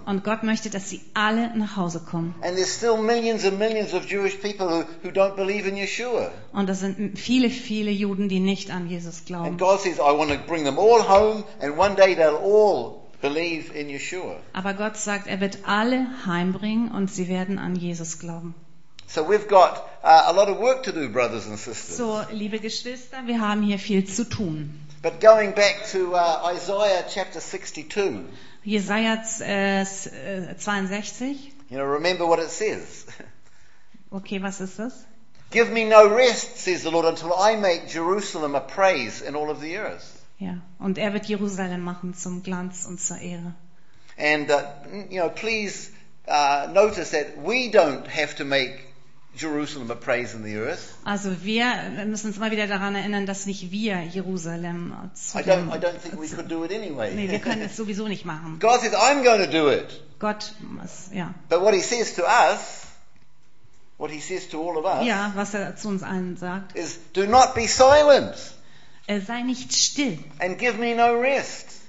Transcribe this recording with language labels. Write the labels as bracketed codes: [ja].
[de] Und Gott möchte, dass sie alle nach Hause kommen. [en] And there's still millions and millions of Jewish people who don't believe in Yeshua. [de] Und es sind viele, viele Juden, die nicht an Jesus glauben. [en] And God says, I want to bring them all home, and one day they'll all believe in Yeshua. [de] Aber Gott sagt, er wird alle heimbringen und sie werden an Jesus glauben. [en] So we've got a lot of work to do, brothers and sisters. [de] So, liebe Geschwister, wir haben hier viel zu tun. [en] But going back to Isaiah chapter 62. [de] Jesaja 62. [en] You know, remember what it says. [de] Okay, was ist das? [en] Give me no rest, says the Lord, until I make Jerusalem a praise in all of the earth. [de] Ja, und er wird Jerusalem machen zum Glanz und zur Ehre. [en] And you know, please notice that we don't have to make Jerusalem a praise in the earth. [de] Also wir müssen uns mal wieder daran erinnern, dass nicht wir Jerusalem zu [en] I don't think we could do it anyway. [de] Nee, wir können es sowieso nicht machen. [en] God says, I'm going to do it. [de] Gott muss, ja. [en] But what he says to us, what he says to all of us, [de] ja, was er zu uns allen sagt, [en] is do not be silent. [de] Sei nicht still. [en] And give me no rest.